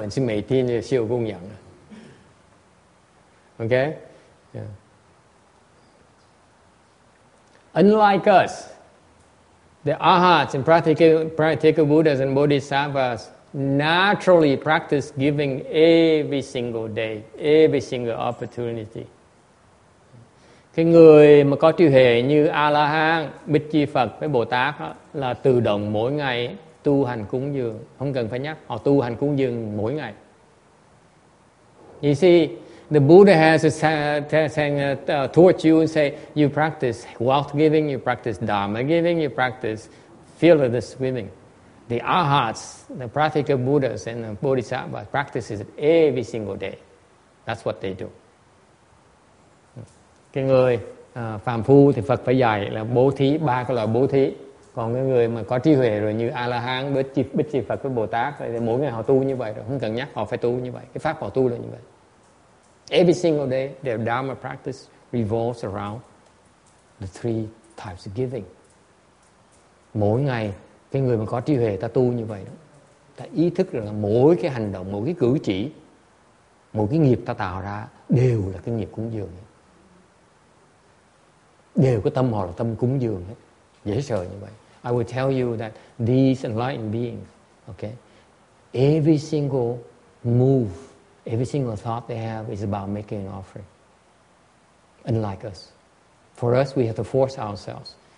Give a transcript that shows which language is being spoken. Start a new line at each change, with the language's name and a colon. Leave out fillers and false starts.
Chinese: 不必像他们提倡你应该修供养，他们是每天修供养。
English: Okay? Yeah. Unlike us, the Arhats and practical Buddhas and Bodhisattvas naturally practice giving every single day, every single opportunity.
Vietnamese: Cái người mà có trí huệ như A-la-hán, Bích Chi Phật với Bồ-Tát là tự động mỗi ngày tu hành cúng dường. Không cần phải nhắc, họ tu hành cúng dường mỗi ngày.
English: You see, the Buddha has taught you and say, you practice wealth giving, you practice dharma giving, you practice fearless giving. The Arhats, the practical Buddhas and the Bodhisattvas practices it every single day. That's what they do.
Vietnamese: Cái người phàm phu thì Phật phải dạy là bố thí, ba cái loại bố thí. Còn cái người mà có trí huệ rồi như A-la-hán, Bích Chi Phật với Bồ-Tát thì mỗi ngày họ tu như vậy rồi, không cần nhắc, họ phải tu như vậy. Cái pháp họ tu là như vậy.
English: Every single day, their Dharma practice revolves around the three types of giving.
Vietnamese: Mỗi ngày, cái người mà có trí huệ ta tu như vậy đó. Ta ý thức rằng là mỗi cái hành động, mỗi cái cử chỉ, mỗi cái nghiệp ta tạo ra đều là cái nghiệp cúng dường. Đều cái tâm họ là tâm cúng dường hết. Dễ sợ như vậy.
English: I will tell you that these enlightened beings, okay, every single move, every single thought they have is about making an offering. Unlike us. For us, we have to force ourselves.